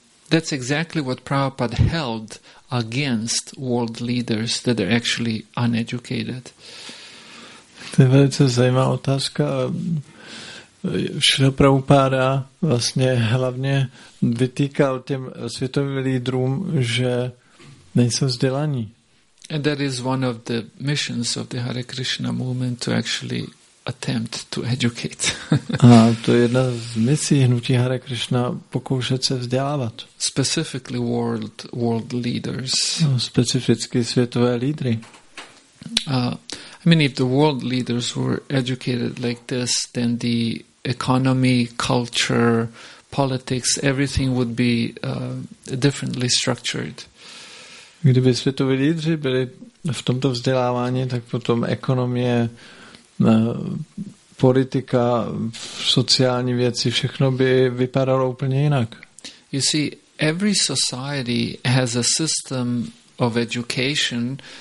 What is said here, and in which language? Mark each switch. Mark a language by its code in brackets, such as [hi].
[en] That's exactly what Prabhupada held against world leaders that are actually uneducated. [cs] To je velice zajímavá otázka. Šrila Prabhupada vlastně hlavně vytýkal těm světovým lídrům, že nejsou vzdělaní. [en] And that is one of the missions of the Hare Krishna movement to actually attempt to educate. [cs] A to je jedna z misí hnutí Hare Krishna pokoušet se vzdělávat. [en] Specifically world leaders. [cs] Specificky světové lídry. [en] I mean, if the world leaders were educated like this, then the economy, culture, politics, everything would be differently structured. [cs] Kdyby světoví lídři byli v tomto vzdělávání, tak potom ekonomie, politika, sociální věci, všechno by vypadalo úplně jinak. [en] You see, every society has a system of education.